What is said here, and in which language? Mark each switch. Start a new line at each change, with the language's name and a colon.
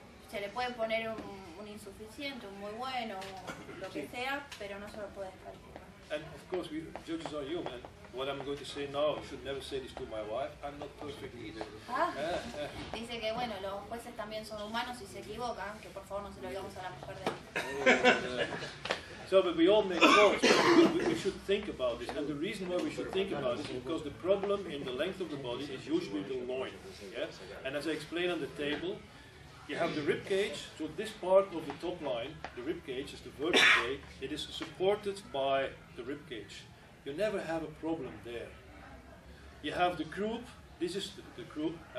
Spanish: Se le puede poner un insuficiente, un muy bueno, lo que sea, pero no se lo puede calificar.
English: And of course, we judges are human. What I'm going to say now, I should never say this to my wife. I'm not perfect either.
Spanish: Dice que bueno, los jueces también son humanos y se equivocan, que por favor no se lo digamos a la mujer de él.
English: So, but we all make faults. We should think about this, and the reason why we should think about it is because the problem in the length of the body is usually the loin. Yeah? And as I explained on the table, you have the rib cage. So this part of the top line, the rib cage, is the vertebrae. It is supported by the rib cage. You never have a problem there. You have the croup. This is the croup.